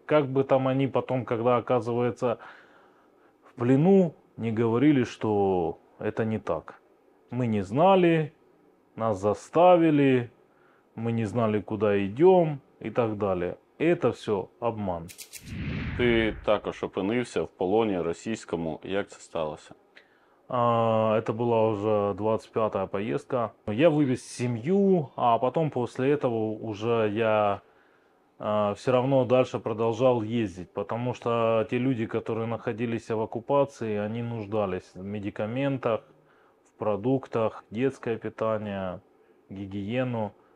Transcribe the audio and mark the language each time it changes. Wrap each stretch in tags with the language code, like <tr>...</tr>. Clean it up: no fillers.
<ru>Как бы там они потом, когда оказываются в плену, не говорили, что это не так. Мы не знали, нас заставили, мы не знали, куда идем и так далее. Это все обман.</ru> <uk>Ти також опинився в полоні російському. Як це сталося?</uk> <ru>Это была уже 25-я поездка. Я вывез семью, а потом после этого уже я все равно дальше продолжал ездить, потому что те люди, которые находились в оккупации, они нуждались в медикаментах, в продуктах, детское питание, гигиену.</ru>